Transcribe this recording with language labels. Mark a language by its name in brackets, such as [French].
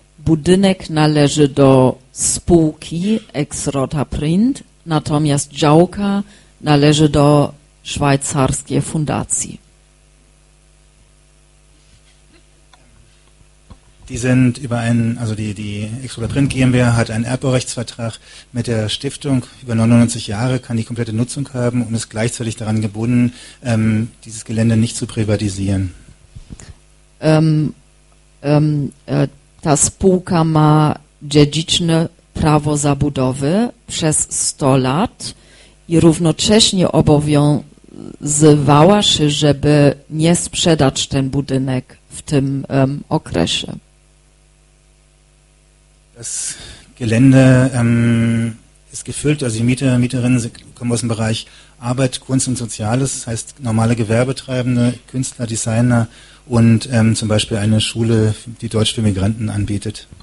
[Polish] Budynek należy do spółki Ex Rota Print, natomiast działka należy do szwajcarskiej fundacji. [German] Die sind über einen, also die Exoda Print GmbH hat einen Erbbaurechtsvertrag mit der Stiftung über 99 Jahre, kann die komplette Nutzung haben und ist gleichzeitig daran gebunden, dieses Gelände nicht zu privatisieren. [Polish] Ta spółka ma dziedziczne prawo zabudowy przez 100 lat i równocześnie obowiązywała się, żeby nie sprzedać ten budynek w tym okresie. [German] Das Gelände ist gefüllt, also die Mieter, Mieterinnen kommen aus dem Bereich Arbeit, Kunst und Soziales, das heißt normale Gewerbetreibende, Künstler, Designer und zum Beispiel eine Schule, die Deutsch für Migranten anbietet.